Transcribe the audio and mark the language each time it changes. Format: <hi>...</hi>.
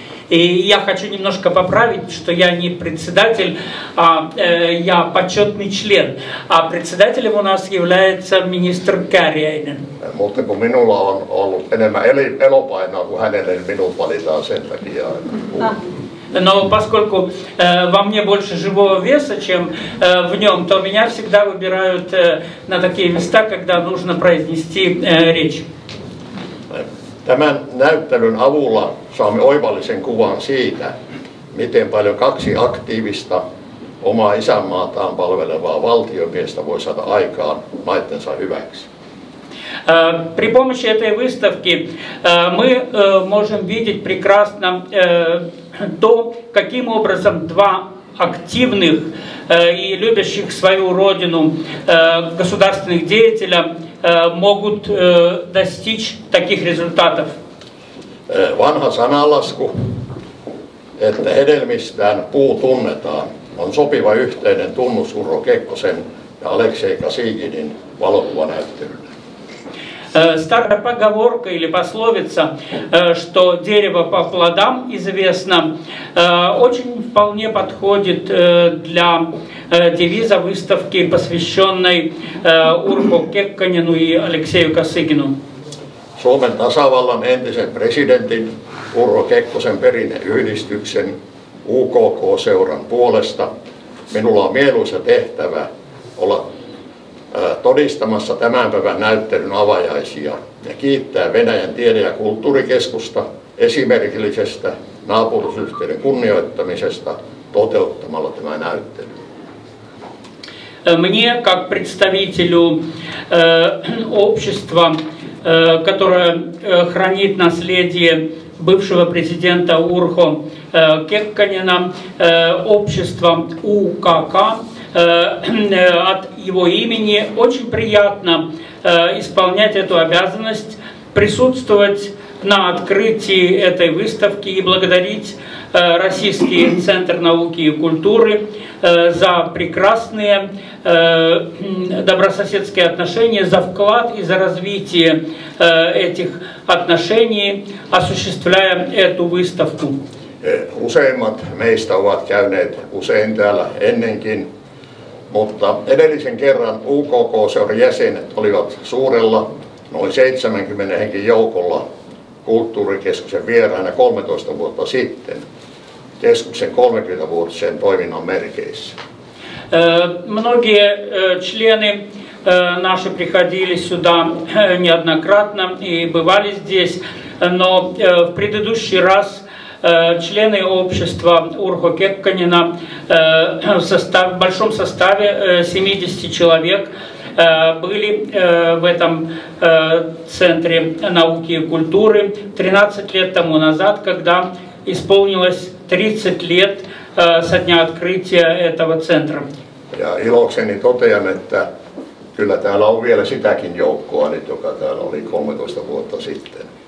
<ru>Я хочу немножко поправить, что я не председатель, а я почетный член. А председателем у нас является министр Кääriäinen.</ru> <fi>Mutta kun minulla on ollut enemmän elopainoa kuin hänelle, niin minun valitaan sen takia.</fi> <ru>Но поскольку во мне больше живого веса, чем в нем, то меня всегда выбирают на такие места, когда нужно произнести речь.</ru> <fi>Tämän näyttelyn avulla saamme oivallisen kuvan siitä, miten paljon kaksi aktiivista omaa isänmaataan palvelevaa valtiomiestä voi saada aikaan maittensa hyväksi.</fi> <ru>При помощи этой выставки мы можем видеть прекрасно то, каким образом два активных и любящих свою родину государственных деятеля могут достичь таких результатов.</ru> <fi>Vanha sananlasku, että hedelmistään puu tunnetaan, on sopiva yhteinen tunnus Urho Kekkosen ja Aleksei Kosyginin valokuvanäyttelylle.</fi> <ru>Старая поговорка или пословица, что дерево по плодам известно, очень вполне подходит для девиза выставки, посвященной Урху Кекконену и Алексею Косыгину.</ru> <fi>Suomen tasavallan entisen presidentin Urho Kekkosen perinneyhdistyksen UKK-seuran puolesta minulla on mieluisa tehtävä olla todistamassa tämän päivän näyttelyn avajaisia ja kiittää Venäjän tiede- ja kulttuurikeskusta esimerkillisestä naapurusyhteyden kunnioittamisesta toteuttamalla tämä näyttely.</fi> <ru>Мне, как представителю общества, которое хранит наследие бывшего президента Урхо Кекконена, общества УКК, от его имени очень приятно исполнять эту обязанность, присутствовать на открытии этой выставки и благодарить Российский центр науки и культуры за прекрасные добрососедские отношения, за вклад и за развитие этих отношений, осуществляя эту выставку.</ru> <fi>Useimmat meistä ovat käyneet usein täällä ennenkin, mutta edellisen kerran UKK-seuran jäsenet olivat suurella, noin 70 henkin joukolla kulttuurikeskuksen vieraana 13 vuotta sitten keskuksen 30-vuotisen toiminnan merkeissä.</fi> <ru>Многие члены наши приходили сюда неоднократно и бывали здесь, но в предыдущий раз члены общества Урхо Кекконена в большом составе 70 человек были в этом центре науки и культуры 13 лет тому назад, когда исполнилось 30 лет со дня открытия этого центра.</ru> <fi>Я ilokseni totean, että kyllä täällä on vielä sitäkin joukkoa, joka täällä oli 13 vuotta sitten.</fi>